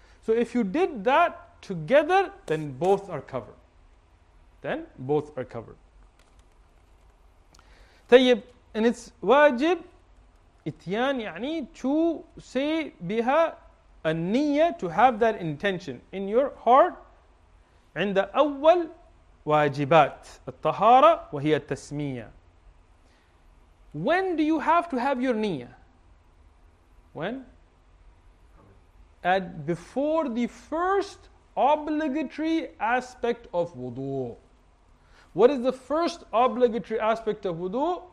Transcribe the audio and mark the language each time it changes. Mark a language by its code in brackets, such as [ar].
[en] So if you did that together, then both are covered. Then both are covered. Tayyib, and it's wajib, ityan ya'ni, to say biha a niyyah, to have that intention in your heart. [ar] عند أول واجبات الطهارة وهي التسمية. [en] When do you have to have your niyyah? When? At before the first obligatory aspect of wudu. What is the first obligatory aspect of wudu?